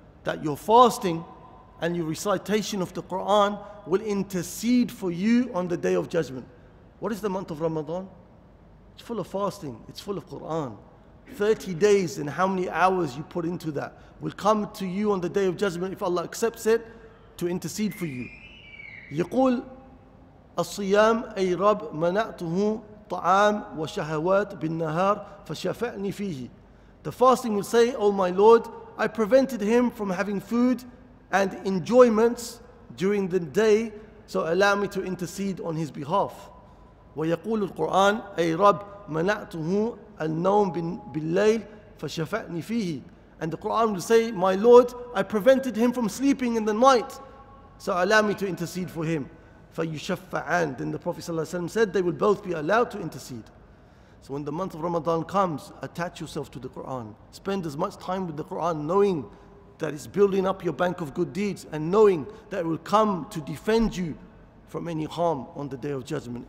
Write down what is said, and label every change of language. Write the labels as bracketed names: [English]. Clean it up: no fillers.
[English] That your fasting and your recitation of the Quran will intercede for you on the Day of Judgment. What is the month of Ramadan? It's full of fasting, it's full of Quran. 30 days and how many hours you put into that will come to you on the Day of Judgment, if Allah accepts it, to intercede for you. [Arabic] يقول الصيام أي رب منعته طعام وشهوات بالنهار فشفعني فيه. [English] The fasting will say, "Oh my Lord, I prevented him from having food and enjoyments during the day, so allow me to intercede on his behalf." [Arabic] ويقول القرآن أي رب منعته النوم بالليل فشفعني فيه. [English] And the Quran will say, "My Lord, I prevented him from sleeping in the night, so allow me to intercede for him." [Arabic] فَيُشَفَّعَانَ. [English] Then the Prophet ﷺ said they will both be allowed to intercede. So when the month of Ramadan comes, attach yourself to the Quran. Spend as much time with the Quran, knowing that it's building up your bank of good deeds and knowing that it will come to defend you from any harm on the Day of Judgment.